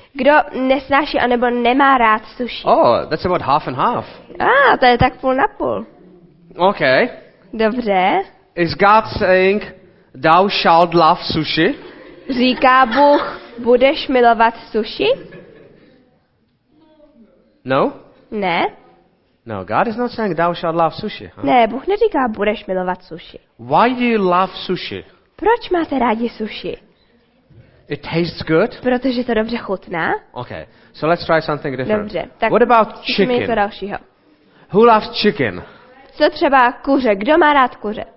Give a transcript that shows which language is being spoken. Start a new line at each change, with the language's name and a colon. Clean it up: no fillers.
Czech: Kdo nesnáší anebo nemá rád sushi?
English: Oh, that's about half and half.
Czech: Ah, to je tak půl na půl.
English: Okay.
Czech: Dobře.
English: Is God saying, thou shalt love sushi?
Czech: Říká Bůh, budeš milovat sushi?
English: No?
Czech: Ne.
English: No, God is not saying, thou shalt love sushi. Huh?
Czech: Ne, Bůh neříká, budeš milovat sushi.
English: Why do you love sushi?
Czech: Proč máte rádi sushi?
English: It tastes good.
Czech: Protože to dobře chutná.
English: Okay. So let's try something different.
Czech: Dobře. Tak
English: what about chicken?
Czech: Co dalšího? Who loves chicken? Co třeba kuře? Kdo má rád kuře?